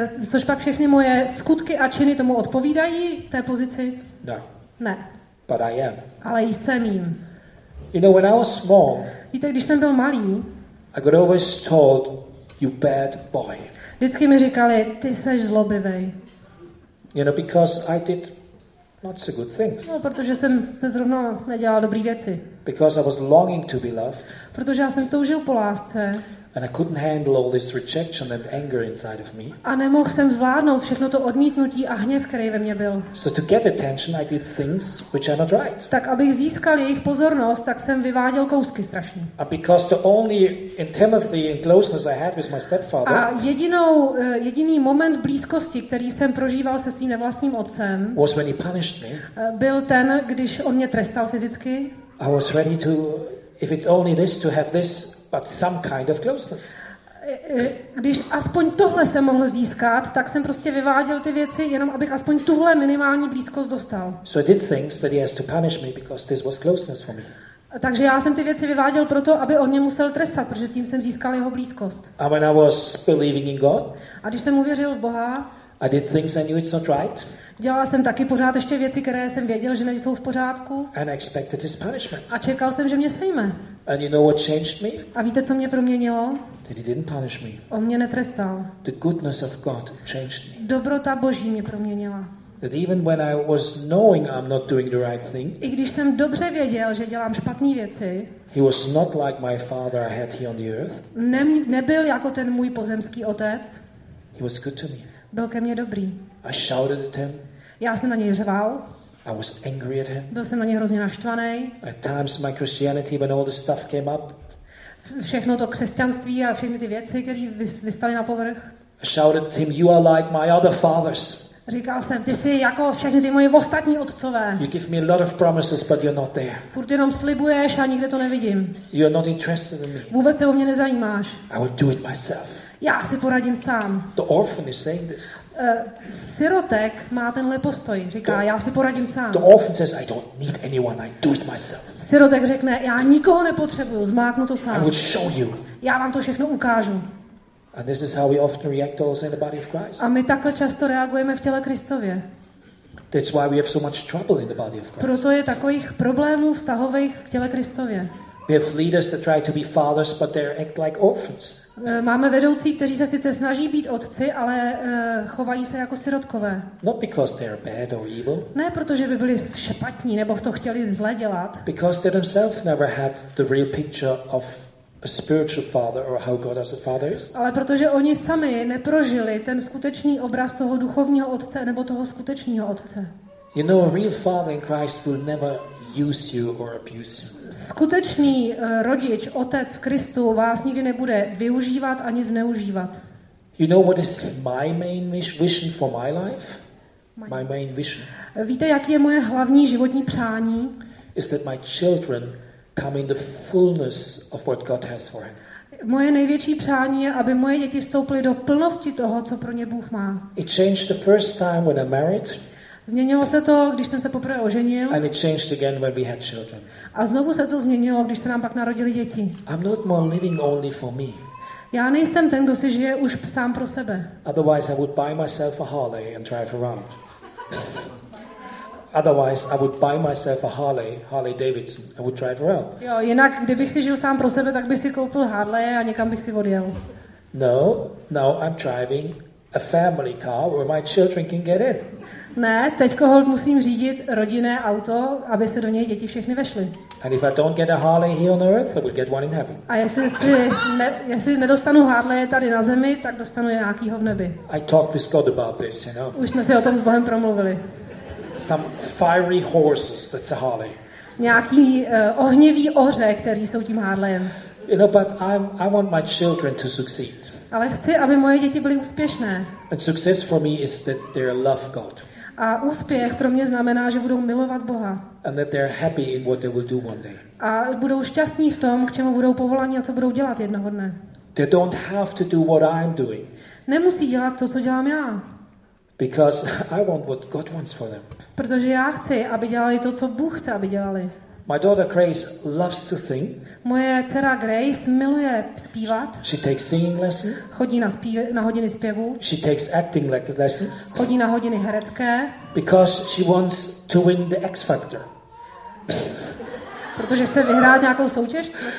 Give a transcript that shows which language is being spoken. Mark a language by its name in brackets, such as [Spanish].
[Czech] Což pak všechny moje skutky a činy tomu odpovídají, té pozici? No. Ne. [English] But I am. [Czech] Ale jsem jim. [English] You know, when I was small, [Czech] víte, když jsem byl malý, [English] I got always told, you bad boy. [Czech] Vždycky mi říkali, ty seš zlobivej. [English] You know, because I did not so good things. [Czech] No, protože jsem se zrovna nedělal dobrý věci. [English] Because I was longing to be loved. [Czech] Protože já jsem toužil po lásce. [English] And I couldn't handle all this rejection and anger inside of me. [Czech] A nemohl jsem zvládnout všechno to odmítnutí a hněv, který ve mně byl. [English] So to get attention, I did things which are not right. [Czech] Tak abych získal jejich pozornost, tak jsem vyváděl kousky strašně. [English] And because the only intimacy and closeness I had with my stepfather. [Czech] A jediný moment blízkosti, který jsem prožíval se svým nevlastním otcem. [English] Was when he punished me. [Czech] Byl ten, když on mě trestal fyzicky. [English] I was ready to, if it's only this, to have this. But some kind of closeness. [Czech] Když aspoň tohle jsem mohl získat, tak jsem prostě vyváděl ty věci, jenom abych aspoň tuhle minimální blízkost dostal. [English] So I did things that he has to punish me because this was closeness for me. [Czech] Takže já jsem ty věci vyváděl proto, aby on mě musel trestat, protože tím jsem získal jeho blízkost. [English] And when I was believing in God, [Czech] a když jsem uvěřil v Boha, [English] I did things I knew it's not right. [Czech] Dělal jsem taky pořád ještě věci, které jsem věděl, že nejsou v pořádku. [English] And expected his punishment. [Czech] A čekal jsem, že mě sejme. [English] And you know what changed me? [Czech] A víte, co mě proměnilo? [English] That he didn't punish me. [Czech] On mě netrestal. [English] The goodness of God changed me. [Czech] Dobrota Boží mě proměnila. [English] That even when I was knowing I'm not doing the right thing, [Czech] i když jsem dobře věděl, že dělám špatné věci, [English] he was not like my father I had here on the earth. [Czech] Nebyl jako ten můj pozemský otec. [English] He was good to me. [Czech] Byl ke mně dobrý. [English] I shouted at him. [Czech] Já jsem na něj řval. [English] I was angry at him. [Czech] Byl jsem na něj hrozně naštvaný. [English] At times my Christianity, when all the stuff came up, [Czech] všechno to křesťanství a všechny ty věci, které vystaly na povrch. [English] I shouted at him, you are like my other fathers. [Czech] Říkal jsem, ty jsi jako všechny ty moje ostatní otcové. [English] You give me a lot of promises, but you're not there. [Czech] Furt jenom slibuješ a nikde to nevidím. [English] You're not interested in me. [Czech] Vůbec se o mě nezajímáš. [English] I will do it myself. [Czech] Já si poradím sám. [English] The orphan is saying this. [Czech] Sirotek má tenhle postoj, říká, já si poradím sám. [English] The orphan says, I don't need anyone, I do it myself. [Czech] Sirotek řekne, já nikoho nepotřebuju, zmáknu to sám. [English] I will show you. [Czech] Já vám to všechno ukážu. [English] And this is how we often react also in the body of Christ. [Czech] A my takhle často reagujeme v těle Kristově. [English] That's why we have so much trouble in the body of Christ. [Czech] Proto je takových problémů vztahových v těle Kristově. [English] We have leaders that try to be fathers, but they act like orphans. [Czech] Máme vedoucí, kteří se sice snaží být otci, ale chovají se jako sirotkové. [English] Not because they are bad or evil. [Czech] Ne protože by byli špatní nebo to chtěli zle dělat. [English] Because they themselves never had the real picture of a spiritual father or how God as a father is. [Czech] Ale protože oni sami neprožili ten skutečný obraz toho duchovního otce nebo toho skutečného otce. [English] You know, a real father in Christ will never use you or abuse you. [Czech] Skutečný rodič, otec v Kristu vás nikdy nebude využívat ani zneužívat. [English] You know what is my main vision for my life? My main vision. [Czech] Víte, jaký je moje hlavní životní přání? [English] Is that my children come in the fullness of what God has for him. [Czech] Moje největší přání je, aby moje děti vstoupily do plnosti toho, co pro ně Bůh má. [English] It changed the first time when I married. [Czech] Změnilo se to, když jsem se poprvé oženil. [English] And it changed again when we had children. [Czech] A znovu se to změnilo, když se nám pak narodili děti. [English] I'm not more living only for me. [Czech] Já nejsem ten, kdo si žije už sám pro sebe. [English] Otherwise I would buy myself a Harley and drive around. Otherwise, I would buy myself a Harley Davidson. I would drive around. [Czech] Jo, jinak, kdybych si žil sám pro sebe, tak bych si koupil Harley a někam bych si odjel. [English] No, I'm driving a family car where my children can get in. [Czech] Ne, teďko hold musím řídit rodinné auto, aby se do něj děti všechny vešly. [English] And if I don't get a Harley here on earth, I would get one in heaven. [Czech] A jestli nedostanu Harley tady na zemi, tak dostanu nějakýho v nebi. [English] I talked with God about this, you know. [Czech] Už jsme si o tom s Bohem promluvili. [English] Some fiery horses, that's a Harley. [Czech] Nějaký ohnivý oře, který jsou tím Harleyem. [English] You know, but I want my children to succeed. [Czech] Ale chci, aby moje děti byly úspěšné. [English] And success for me is that they love God. [Czech] A úspěch pro mě znamená, že budou milovat Boha. [English] And that they're happy in what they will do one day. [Czech] A budou šťastní v tom, k čemu budou povoláni a co budou dělat jednoho dne. [English] They don't have to do what I'm doing. [Czech] Nemusí dělat to, co dělám já. [English] Because I want what God wants for them. [Czech] Protože já chci, aby dělali to, co Bůh chce, aby dělali. [English] My daughter Grace loves to sing. [Czech] Moje dcera Grace miluje zpívat. [English] She takes singing lessons. [Czech] Chodí na hodiny zpěvu. [English] She takes acting lessons. [Czech] Chodí na hodiny herecké. [English] Because she wants to win the X Factor. [Czech] Protože chce vyhrát nějakou soutěž.